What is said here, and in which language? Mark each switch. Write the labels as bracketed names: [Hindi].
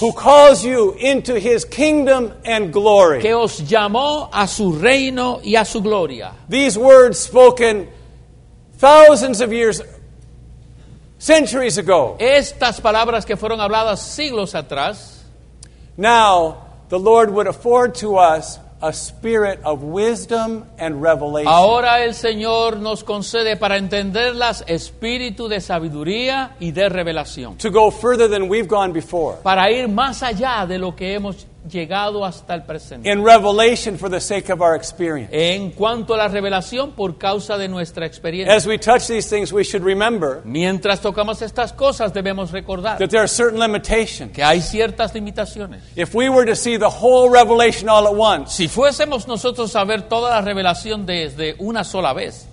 [English] Who calls you into his kingdom and glory. [Spanish] Que os llamó a su reino y a su gloria. [English] These words spoken thousands of years ago. Centuries ago. [Spanish] Estas palabras que fueron habladas siglos atrás. [English] Now, the Lord would afford to us a spirit of wisdom and revelation. [Spanish] Ahora el Señor nos concede para entenderlas espíritu de sabiduría y de revelación. [English] To go further than we've gone before. [Spanish] Para ir más allá de lo que hemos llegado hasta el presente. [English] In revelation for the sake of our experience. [Spanish] En cuanto a la revelación por causa de nuestra experiencia. [English] As we touch these things, we should remember. [Spanish] Mientras tocamos estas cosas, debemos recordar. [English] That there are certain limitations. [Spanish] Que hay ciertas limitaciones. [English] If we were to see the whole revelation all at once. [Spanish] Si fuésemos nosotros a ver toda la revelación desde una sola vez.